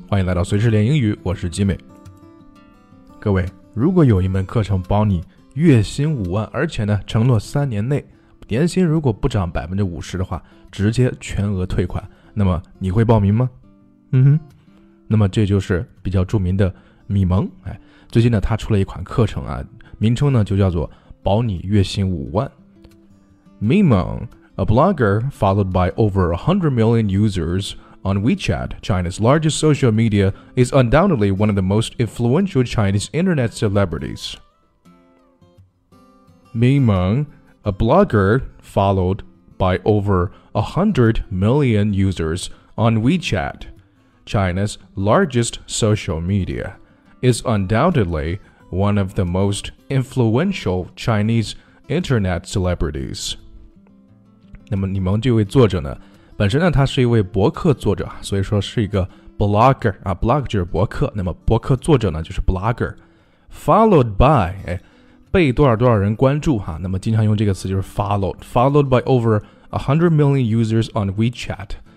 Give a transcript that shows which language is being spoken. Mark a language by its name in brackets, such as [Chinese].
[Chinese] 欢迎来到随时练英语，我是吉美。各位，如果有一门课程包你月薪50000，而且呢承诺3年内年薪如果不涨50%的话，直接全额退款，那么你会报名吗？嗯哼，那么这就是比较著名的米蒙。哎，最近呢他出了一款课程啊，名称呢就叫做保你月薪50000。米蒙。 [English] A blogger followed by over 100 million users on WeChat, China's largest social media, is undoubtedly one of the most influential Chinese internet celebrities. Mi Meng, a blogger followed by over 100 million users on WeChat, China's largest social media, is undoubtedly one of the most influential Chinese internet celebrities. [Chinese] 那么你们这位作者呢，本身呢他是一位博客作者，所以说是一个 blogger 啊， blog 就是博客，那么博客作者呢就是 blogger。 Followed by、哎、被多少多少人关注哈，那么经常用这个词就是 followed by over 100 million users on WeChat。